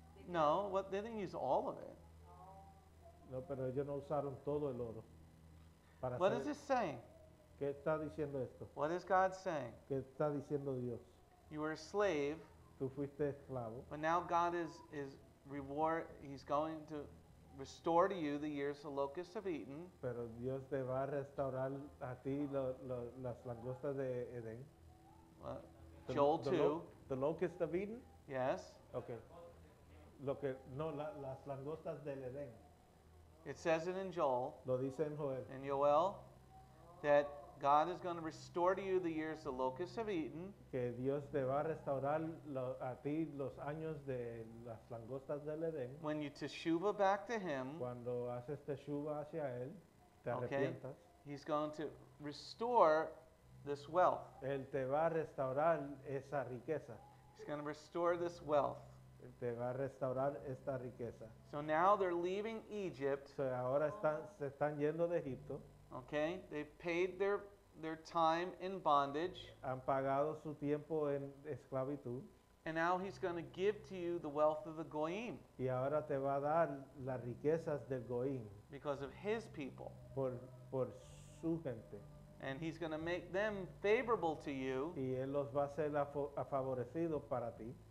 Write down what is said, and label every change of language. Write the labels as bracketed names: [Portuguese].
[English] No, what, they didn't use all of it. [Spanish] No, pero ellos no usaron todo el oro. [English] What is this saying? [Spanish] ¿Qué está diciendo esto? [English] What is God saying? [Spanish] ¿Qué está diciendo Dios? [English] You were a slave. [Spanish] Tú fuiste esclavo. [English] But now God is reward. He's going to restore to you the years the locusts have eaten. [Spanish] Pero Dios te va a restaurar a ti las langostas de Edén. [English] Joel 2. The locusts have eaten? Yes. [Spanish] Okay. Las langostas del Edén. [English] It says it in Joel. [Spanish] Lo dice en Joel. [English] In Joel. That God is going to restore to you the years the locusts have eaten. [Spanish] Que Dios te va a restaurar a ti los años de las langostas del Edén. [English] When you teshuva back to Him. [Spanish] Cuando haces teshuva hacia Él, te arrepientas. [English] Okay. He's going to restore this wealth. [Spanish] Él te va a restaurar esa riqueza. [English] He's going to restore this wealth. [Spanish] Te va a restaurar esta riqueza. [English] So now they're leaving Egypt. [Spanish] So ahora se están yendo de Egipto. [English] Okay, they paid their time in bondage. [Spanish] Han pagado su tiempo en esclavitud. [English] And now he's going to give to you the wealth of the goyim. [Spanish] Y ahora te va a dar las riquezas del goyim. [English] Because of his people. [Spanish] Por su gente. [English] And he's going to make them favorable to you. [Spanish] Y él los va a hacer favorecidos para ti.